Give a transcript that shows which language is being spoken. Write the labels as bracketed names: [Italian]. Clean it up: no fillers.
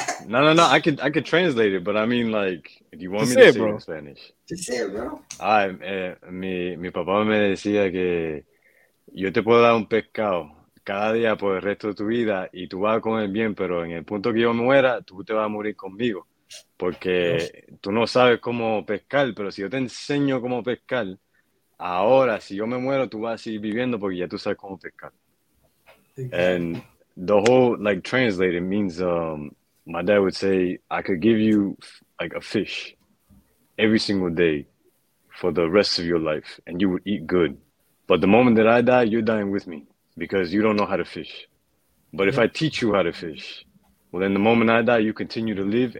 [English] I could translate it, but I mean, like, if you want to me say to it, say it in Spanish, just say it, bro. [Spanish] Mi papá me decía que yo te puedo dar un pescado cada día por el resto de tu vida y tú vas a comer bien, pero en el punto que yo muera, tú te vas a morir conmigo porque tú no sabes cómo pescar, pero si yo te enseño cómo pescar, ahora si yo me muero, tú vas a seguir viviendo porque ya tú sabes cómo pescar. [English] And the whole, like, translated means, my dad would say, I could give you like a fish every single day for the rest of your life and you would eat good, but the moment that I die, you're dying with me. Because you don't know how to fish. But if I teach you how to fish, well, then the moment I die, you continue to live.